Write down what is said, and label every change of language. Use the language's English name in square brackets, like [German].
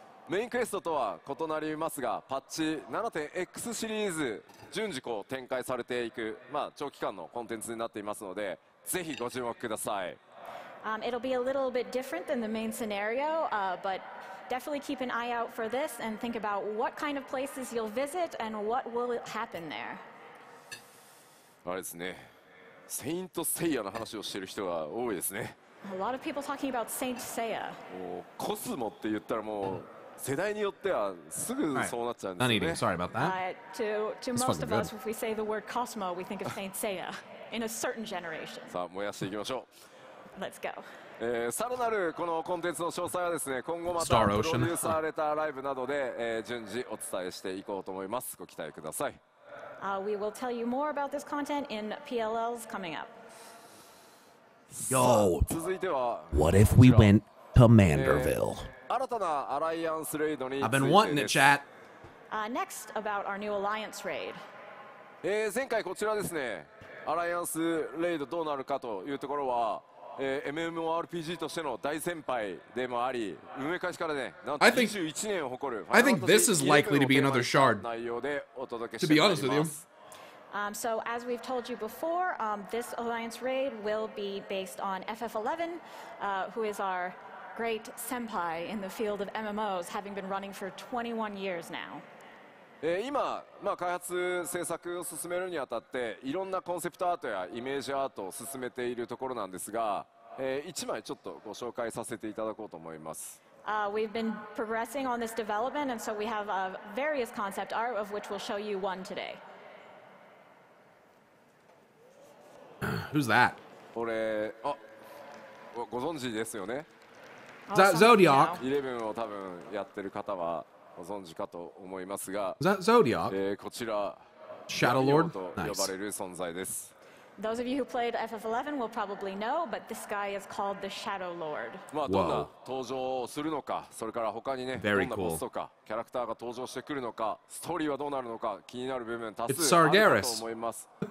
[Japanese] メインクエストとは異なりますが、パッチ 7.X シリーズ順次こう展開されていく、まあ、長期間のコンテンツになっていますので、ぜひご注目ください。 [English] It'll be a little bit different than the main scenario, but definitely keep an eye out for this and think about what kind of places you'll visit and what will happen there. あれですね、セイント・セイヤの話をしている人が多いですね。 A lot of people talking about Saint Seiya. コスモって言ったらもう、世代によってはすぐそうなっちゃうんですよね。 Not eating. Sorry about that. To most of us, if we say the word Cosmo, we think of Saint Seiya in a certain generation. [Japanese] さあ、燃やしていきましょう。 [English] Let's go. [Japanese] さらなるこのコンテンツの詳細はですね、今後またプロデューサーレターライブなどで、順次お伝えしていこうと思います。ご期待ください。 [English] We will tell you more about this content in PLLs coming up. Yo. [Japanese] 続いては、 [English] What if we went to Manderville? [Japanese] 新たなアライアンスレイドについてです。 [English] I've been wanting it, chat. Next, about our new Alliance raid. [Japanese] 前回こちらですね、アライアンスレイドどうなるかというところは、MMORPG としての大先輩でもあり、運営開始からね、なんと21年を誇る。 [English] I think this is likely to be another shard. [Japanese] 内容でお届けしてまいります。 [English] To be honest with you. So as we've told you before, this Alliance raid will be based on FF11, who is our... Great senpai in the field of MMOs, having been running for 21 years now. [Japanese] 今、まあ、開発制作を進めるにあたって、いろんなコンセプトアートやイメージアートを進めているところなんですが、一枚ちょっとご紹介させていただこうと思います。 [English] We've been progressing on this development, and so we have a various concept art of which we'll show you one today. Who's that? [Japanese] これ、あ、ご存知ですよね。 [English] Is that Zodiac? [Japanese] 11を多分やってる方はご存知かと思いますが、 [English] Is that Zodiac? [Japanese] こちら、 [English] Shadow Lord [Japanese] と呼ばれる存在です。 [English] Those of you who played FF11 will probably know, but this guy is called the Shadow Lord. [Japanese] まあどんな登場するのか、それから他にね、 [English] Very cool. [Japanese] どんなボスとかキャラクターが登場してくるのか、ストーリーはどうなるのか気になる部分多数あるかと思います。